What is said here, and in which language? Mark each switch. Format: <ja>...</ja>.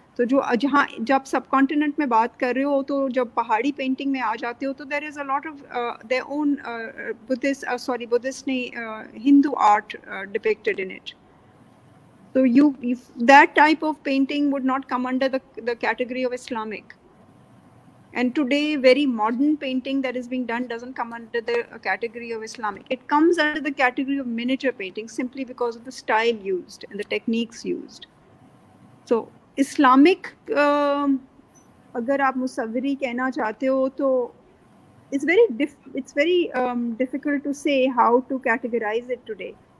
<ur>تو جو جہاں جب سب کانٹیننٹ میں بات کر رہے ہو تو جب پہاڑی پینٹنگ میں آ جاتے ہو تو</ur> <en>there is a lot of their own Buddhist sorry Buddhist</en> <ur>نہیں</ur> <en>Hindu art depicted in it. تو you that type of painting would not come under the category of Islamic, and today very modern painting that is being done doesn't come under the category of Islamic, it comes under the category of miniature painting simply because of the style used and the techniques used. So Islamic</en> <ur>اگر آپ مصوری کہنا چاہتے ہو تو</ur> <en>It's very difficult to say how to categorize it today.</en>